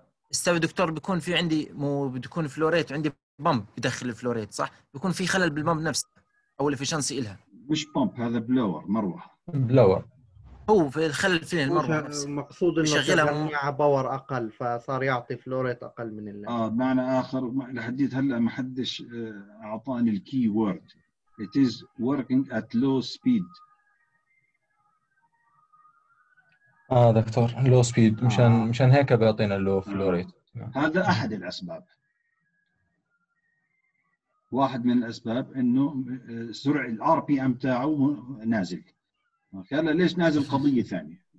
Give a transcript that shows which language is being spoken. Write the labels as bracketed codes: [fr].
[ar] السبب دكتور بيكون في عندي مو بتكون فلوريت، عندي بامب بدخل الفلوريت صح، بيكون في خلل بالبامب نفسه او الافيشنسي إلها. مش بامب، هذا بلور مروحه. بلور هو في الخلل في المروحه، المقصود انه شغال مع باور اقل فصار يعطي فلوريت اقل من اللي. بمعنى اخر لحديت هلا ما حدش اعطاني الكي وورد. [en] It is working at low speed. [ar] دكتور لو سبيد، مشان هيك بيعطينا اللو فلوريت. هذا احد الاسباب، واحد من الاسباب انه سرعة الار بي ام تاعه نازل. اوكي هلا ليش نازل قضيه ثانيه.